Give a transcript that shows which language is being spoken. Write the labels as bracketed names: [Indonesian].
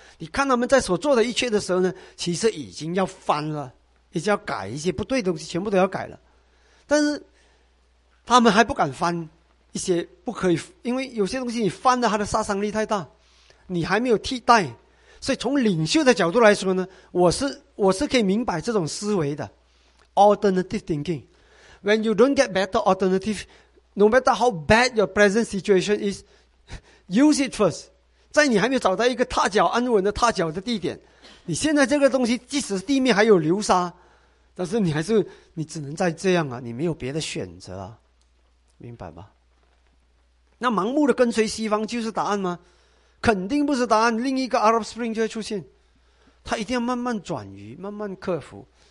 [Chinese] 你看他们在所做的一切的时候呢，其实已经要翻了，已经要改一些不对的东西，全部都要改了，但是他们还不敢翻一些不可以，因为有些东西你翻了它的杀伤力太大，你还没有替代。所以从领袖的角度来说呢，我是可以明白这种思维的 alternative thinking。 [English] When you don't get better alternative, no matter how bad your present situation is, use it first。 [Chinese] 在你还没有找到一个踏脚安稳的踏脚的地点，你现在这个东西即使地面还有流沙，但是你还是你只能再这样啊，你没有别的选择啊，明白吧？那盲目的跟随西方就是答案吗？肯定不是答案，另一个 Arab Spring 就会出现，他一定要慢慢转移，慢慢克服。